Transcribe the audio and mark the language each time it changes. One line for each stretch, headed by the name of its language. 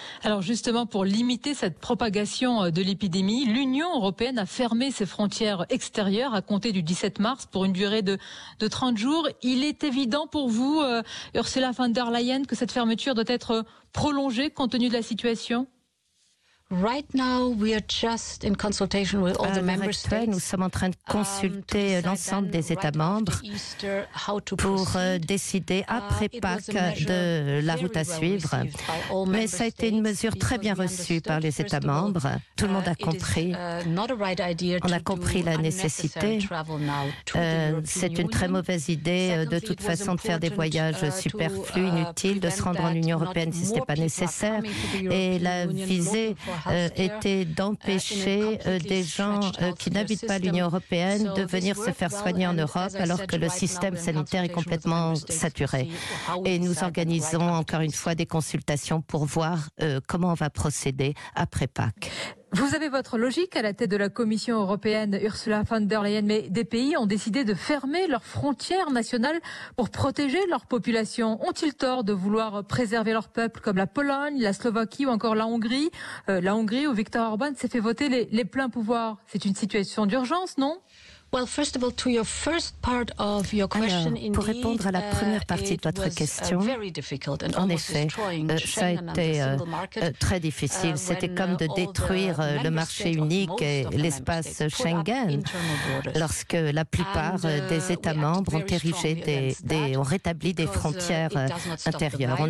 French: Alors justement, pour limiter cette propagation de l'épidémie, l'Union européenne a fermé ses frontières extérieures à compter du 17 mars pour une durée de 30 jours. Il est évident pour vous, Ursula von der Leyen, que cette fermeture doit être prolongée compte tenu de la situation?
English: Right now, we are just in consultation with all the member states.
French: Nous sommes en train de consulter l'ensemble des États membres pour décider après Pâques de la route à suivre. Mais ça a été une mesure très bien reçue par les États membres. Tout le monde a compris. On a compris la nécessité. C'est une très mauvaise idée de toute façon de faire des voyages superflus, inutiles, de se rendre en Union européenne si ce n'est pas nécessaire. Et la visée était d'empêcher des gens qui n'habitent pas l'Union européenne de venir se faire soigner en Europe alors que le système sanitaire est complètement saturé. Et nous organisons encore une fois des consultations pour voir comment on va procéder après Pâques. Vous avez votre logique à la tête de la Commission européenne, Ursula von der Leyen, mais des pays ont décidé de fermer leurs frontières nationales pour protéger leur population. Ont-ils tort de vouloir préserver leur peuple comme la Pologne, la Slovaquie ou encore la Hongrie? La Hongrie où Viktor Orban s'est fait voter les pleins pouvoirs. C'est une situation d'urgence, non?
English: Well, first of all, to your first part of your question,
French: alors, pour répondre à la première partie de votre question, en effet, ça a été très difficile. C'était comme de détruire le marché unique et l'espace Schengen lorsque la plupart des États membres ont rétabli des frontières intérieures.